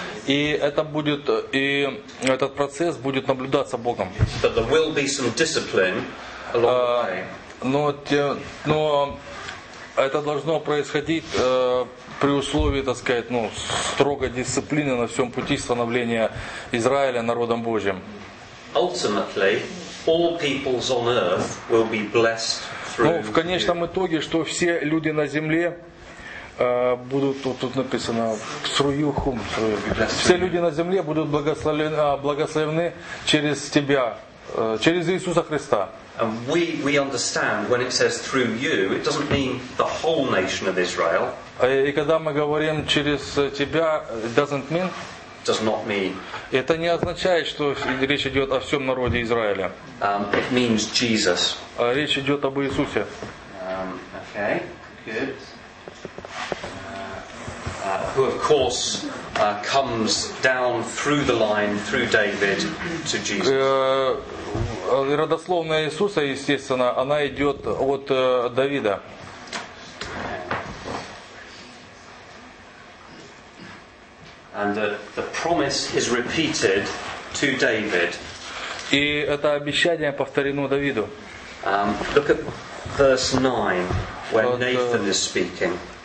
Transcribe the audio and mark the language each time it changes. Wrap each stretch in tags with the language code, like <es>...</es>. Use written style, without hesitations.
<ru>И это будет, и этот процесс будет наблюдаться Богом.</ru> <en>But there will be some discipline along the way.</en> <ru>Но это должно происходить. При условии, так сказать, ну, строгой дисциплины на всем пути становления Израиля народом Божьим.</ru> <en>Ultimately, all peoples on earth will be blessed through.</en> <ru>Ну, в конечном итоге, что все люди на земле будут, вот тут написано, все люди на земле будут благословлены через тебя, через Иисуса Христа.</ru> <en>And we understand when it says through you, it doesn't mean the whole nation of Israel.</en> <ru>И когда мы говорим через тебя,</ru> <en>doesn't mean? Does not mean.</en> <ru>Это не означает, что речь идет о всем народе Израиля.</ru> <en>It means Jesus.</en> <ru>Речь идет об Иисусе.</ru> <en>Okay, good. Who of course comes down through the line through David to Jesus.</en> <ru>Родословная Иисуса, естественно, она идет от Давида.</ru> <en>And the promise is repeated to David.</en> <ru>И это обещание повторено Давиду.</ru> <en>Look at verse 9, where Nathan is speaking.</en>